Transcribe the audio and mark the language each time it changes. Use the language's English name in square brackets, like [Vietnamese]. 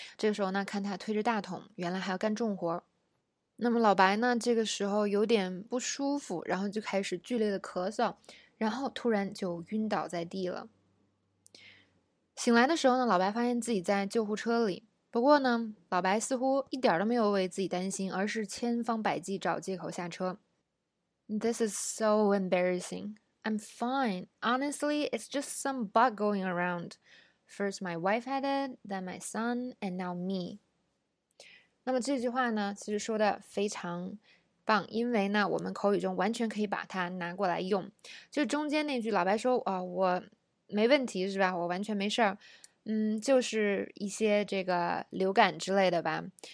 [Chinese] 这个时候呢，看他推着大桶，原来还要干重活。那么老白呢，这个时候有点不舒服，然后就开始剧烈的咳嗽，然后突然就晕倒在地了。醒来的时候呢，老白发现自己在救护车里。不过呢，老白似乎一点都没有为自己担心，而是千方百计找借口下车。 [English] This is so embarrassing. I'm fine. Honestly, it's just some bug going around. First my wife had it, then my son, and now me. [Chinese] 那么这句话呢，其实说的非常棒，因为呢，我们口语中完全可以把它拿过来用。就中间那句，老白说啊，我没问题是吧？我完全没事儿。就是一些这个流感之类的吧。